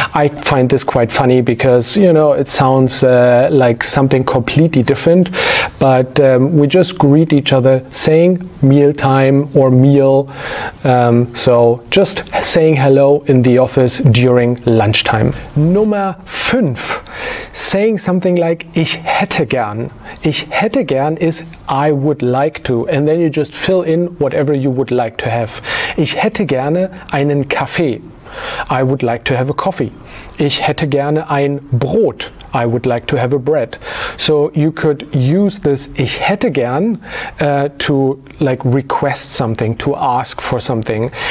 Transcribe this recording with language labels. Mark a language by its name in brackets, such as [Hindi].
[English] I find this quite funny because, you know, it sounds like something completely different, but we just greet each other saying mealtime or meal. So just saying hello in the office during lunchtime. [German] Nummer fünf, [English] saying something like [German] ich hätte gern. Ich hätte gern [English] is I would like to, and then you just fill in whatever you would like to have. [German] Ich hätte gerne einen Kaffee. [English] I would like to have a coffee. [German] Ich hätte gerne ein Brot. [English] I would like to have a bread. So you could use this [German] ich hätte gern [English] to like request something, to ask for something.